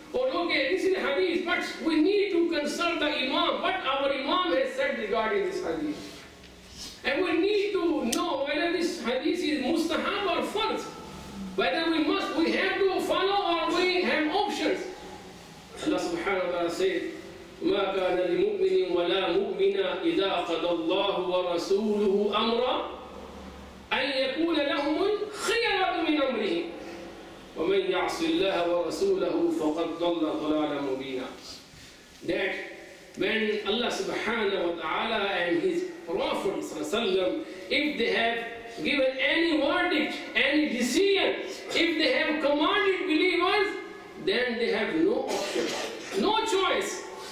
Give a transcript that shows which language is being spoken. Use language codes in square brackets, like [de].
[en] Oh, okay, this is a hadith, but we need to consult the Imam. What our Imam has said regarding this hadith. And we need to know whether this hadith is Mustahab or Fard. Whether we have to follow or we have options. Allah subhanahu wa ta'ala said, [ar] مَا كَانَ لِمُؤْمِنٍ وَلَا مُؤْمِنَا إِذَا قَدَ اللَّهُ وَرَسُولُهُ أَمْرًا أَنْ يَكُونَ لَهُمُ الْخِيَرَةُ مِنْ أَمْرِهِمْ وَمَنْ يَعْصِ اللَّهَ وَرَسُولَهُ فَقَدْ ضَلَّ ضَلَالًا مُبِينًا. [en] That when Allah subhanahu wa ta'ala and His Prophet if they have given any verdict, any decision, if they have commanded believers, then they have no option, no choice.